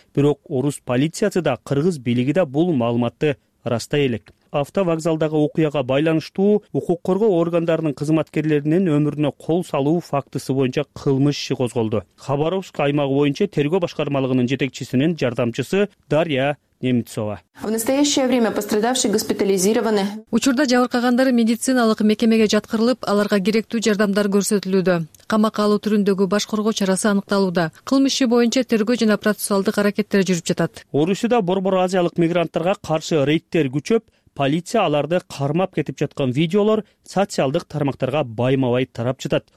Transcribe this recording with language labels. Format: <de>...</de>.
<ky>Бирок орус полициясы да, кыргыз бийлиги да бул маалыматты ырастай элек. Автовокзалдагы окуяга байланыштуу укук коргоо органдарынын кызматкерлеринин өмүрүнө кол салуу фактысы боюнча кылмыш иши козголду. Хабаровск аймагы боюнча тергөө башкармалыгынын жетекчисинин жардамчысы Дарья Немцова.</ky> <ru>В настоящее время пострадавшие госпитализированы.</ru> <ky>Учурда жабыркагандар медициналык мекемеге жаткырылып, аларга керектүү жардамдар көрсөтүлүүдө. Камакка алуу түрүндөгү баш коргоо чарасы аныкталууда. Кылмыш иши боюнча тергөө жана процессуалдык аракеттер жүрүп жатат. Орусияда борбор азиялык мигранттарга каршы рейдтер күчөп, полиция аларды кармап кетип жаткан видеолор социалдык тармактарга байма-бай тарап жатат.</ky>